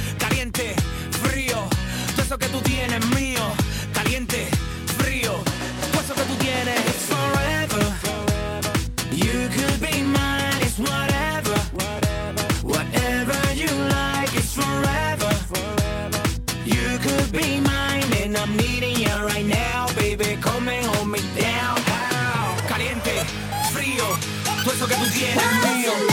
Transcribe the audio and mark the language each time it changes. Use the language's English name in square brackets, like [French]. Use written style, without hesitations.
[Spanish] Caliente, frío, todo eso que tú tienes mío. Caliente, frío, todo eso que tú tienes. [English] It's forever. You could be mine, it's whatever. Whatever you like, it's forever. You could be mine, and I'm needing you right now. Baby, come and hold me down. [Spanish] Caliente, frío, todo eso que tú tienes mío.